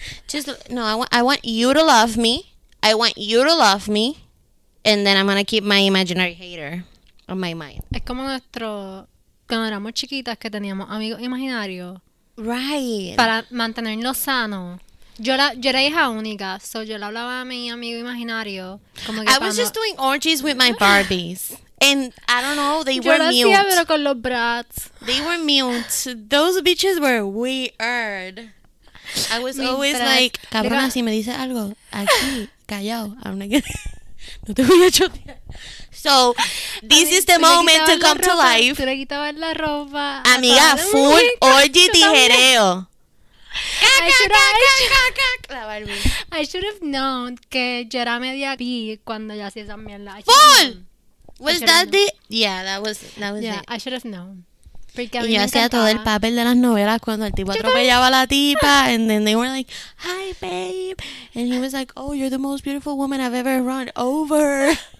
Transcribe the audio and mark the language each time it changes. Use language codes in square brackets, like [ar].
[en] Just, no, I want you to love me. I want you to love me. And then I'm going to keep my imaginary hater on my mind. [es] Es como nuestro, cuando éramos chiquitas que teníamos amigos imaginarios. [en] Right. [es] Para mantenernos sanos. Yo era hija única, so yo le hablaba a mi amigo imaginario. Como que [en] I was just doing orgies with my Barbies. And I don't know, they were mute. [es] Yo lo hacía, pero con los brats. [en] They were mute. Those bitches were weird. I was always like, [es] cabrona, si me dices algo, aquí, callao. [en] I'm like, [es] no te voy a chotear. [en] So, this is the moment to come to life. [es] Tú le quitabas la ropa. Amiga, full orgy tijereo. [en] I should have known [es] que yo era media B cuando yo hacía esa mierda. [en] Full! Was that the... Yeah, that was yeah, it. I should have known. [es] Porque y yo hacía todo el papel de las novelas cuando el tipo atropellaba a la tipa. [en] And then they were like, hi, babe. And he was like, oh, you're the most beautiful woman I've ever run over.